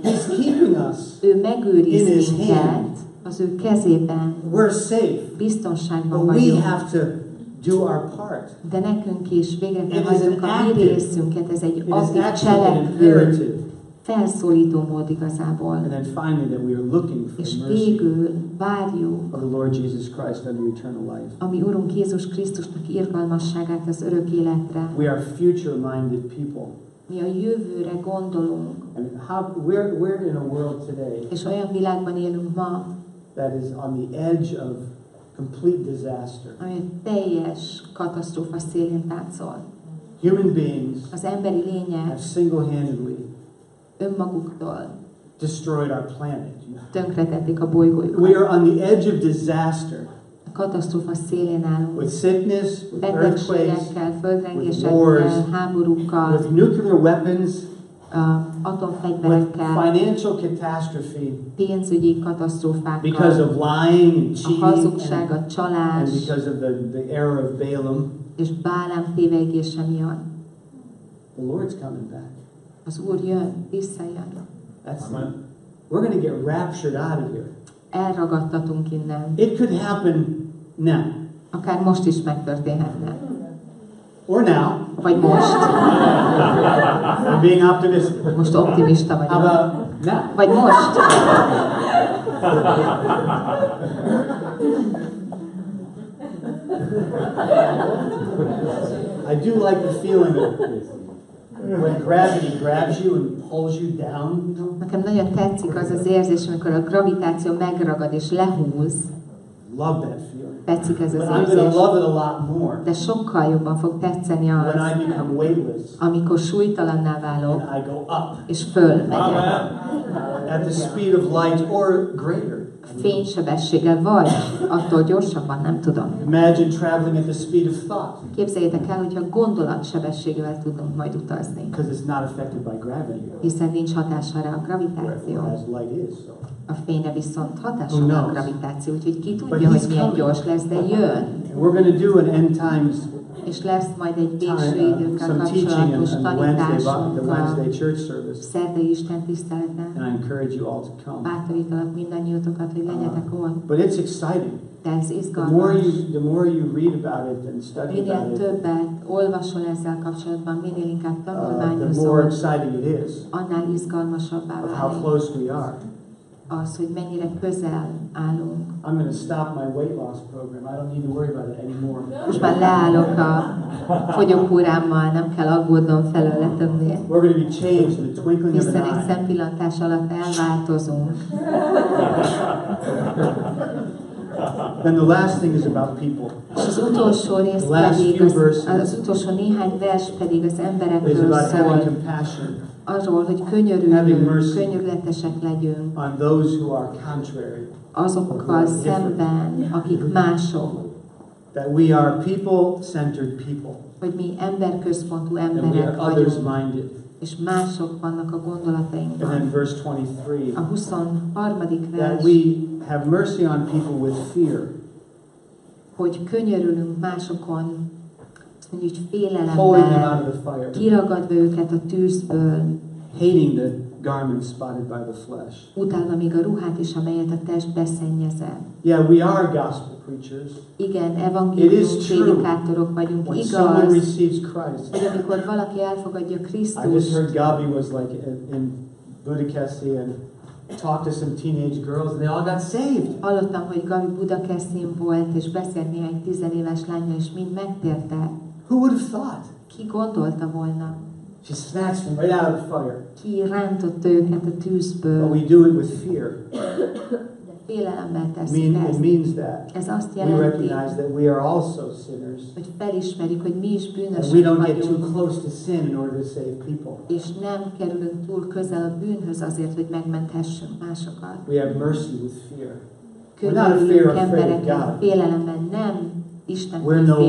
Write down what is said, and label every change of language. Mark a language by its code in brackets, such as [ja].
[en] He's keeping us. [hu] Ő megőriz minket. Az ő kezében. [en] We're safe. [hu] Biztonságban vagyunk. [en] But we have to do our part. [hu] De nekünk is végre tehetjük a mi részünket, ez egy aktív cselekvő, felszólító mód igazából. [en] And then finally that we are looking for [hu] és végül várjuk [en] of the Lord Jesus Christ and the eternal life. [hu] A mi Urunk Jézus Krisztusnak irgalmasságát az örök életre. [en] We are future-minded people. [hu] Mi a jövőre gondolunk. [en] And how, we're in a world today [hu] és olyan világban élünk ma, [en] that is on the edge of complete disaster. [hu] Ami teljes katasztrófa szélén táncol. [en] Human beings [hu] az emberi lények [en] have single-handedly [hu] önmaguktól [en] destroyed our planet. [hu] Tönkretették a bolygójukat. [en] We are on the edge of disaster. [hu] A katasztrófa szélén állunk. [en] With sickness, with [hu] betegségekkel, földrengésekkel, háborúkkal, [en] with nuclear weapons, [hu] atomfegyverekkel, [en] financial catastrophe, [hu] pénzügyi katasztrófákkal, [en] because of lying and cheating, [hu] a hazugság, a csalás, [en] and because of the error of Balaam, [hu] és Bálám tévedése miatt. [en] The Lord's coming back. [hu] Az Úr jön, visszajön. [en] We're going to get raptured out of here. [hu] Elragadtatunk innen. [en] It could happen now. [hu] Akár most is megtörténhetne. [en] Or now. [hu] Vagy most. [en] I'm being optimistic. [hu] Most optimista vagyok. [en] About now. [hu] Vagy most. [en] I do like the feeling of this. When gravity grabs you and pulls you down. [hu] Nekem nagyon tetszik az az érzés, amikor a gravitáció megragad és lehúz. [en] Love that feeling. [hu] Tetszik ez az érzés. [en] But I'm going to love it a lot more. [hu] De sokkal jobban fog tetszeni az. [en] When I become weightless. [hu] Amikor súlytalanná válok. [en] And I go up. [hu] És fölmegyek. [en] At the speed of light or greater. [hu] Fénysebességgel vagy, attól gyorsabban, nem tudom. [en] Imagine traveling at the speed of thought. [hu] Képzeljétek el, hogyha gondolatsebességgel tudunk majd utazni. [en] Because it's not affected by gravity. [hu] Hiszen nincs hatására a gravitáció. A fényre viszont hatása a gravitáció, úgyhogy ki tudja, hogy milyen gyors lesz, de jön. [en] We're going to do an end times. [hu] És lesz majd egy végső időkkel kapcsolatos tanításunk a szerdai Isten tiszteletben. Bátorítalak mindannyiótokat, hogy legyetek ott. [en] But it's exciting. [hu] De ez izgalmas. [en] The more you read about it and study [hu] minél [en] about [hu] többet [en] it, [hu] olvasol ezzel kapcsolatban, minél inkább tanulmányozol, [en] the more exciting it is, [hu] annál izgalmasabbá válik. [en] How close we are. [hu] Az, hogy mennyire közel állunk. [en] I'm going to stop my weight loss program. I don't need to worry about it anymore. [hu] Most már leállok a fogyókúrámmal, nem kell aggódnom felőle többé. [en] We're going to be changed in the twinkling of an eye. [hu] Hiszen egy szempillantás alatt elváltozunk. [en] And the last thing is about people. [hu] Az utolsó rész pedig az utolsó néhány vers pedig az emberekről szól. Arról, hogy könyörüljünk, könyörületesek legyünk [en] on those who are contrary, [hu] azokkal szemben, akik mások. [en] That we are people-centered people. [hu] Hogy mi emberközpontú emberek vagyunk. És mások vannak a gondolatainkban. [en] And then verse 23, [hu] a 23. vers. [en] That we have mercy on people with fear. [hu] Hogy könyörülünk másokon. Mondjuk félelemben kiragadva őket a tűzből, [en] hating the garment spotted by the flesh. [hu] Utálva még a ruhát is, amelyet a test beszennyezett. [en] Yeah, we are gospel preachers. [hu] Igen, evangélium prédikátorok vagyunk. [en] When [hu] igaz, [en] someone receives Christ, [hu] hogy amikor valaki elfogadja Krisztust. [en] I just heard Gabi was like in Budakeszi and talked to some teenage girls and they all got saved. [hu] Hallottam, hogy Gabi Budakeszin volt és beszélt néhány tizenéves lánya és mind megtértek. [en] Who would have thought? [hu] Ki gondolta volna? [en] She snatched them right out of the fire. [hu] Ki rántotta őket a tűzből. [en] But we do it with fear. [hu] Félelemmel tesszük ezt. [en] It means that. [hu] Ez azt jelenti. [en] We recognize that we are also sinners. [hu] Hogy felismerjük, hogy mi is bűnösök vagyunk. [en] And we don't get too close to sin in order to save people. [hu] És nem kerülünk túl közel a bűnhöz azért, hogy megmenthessünk másokat. [en] We have mercy with fear. [hu] Könyörüljünk embereknek félelemmel, nem Istenben félelemmel.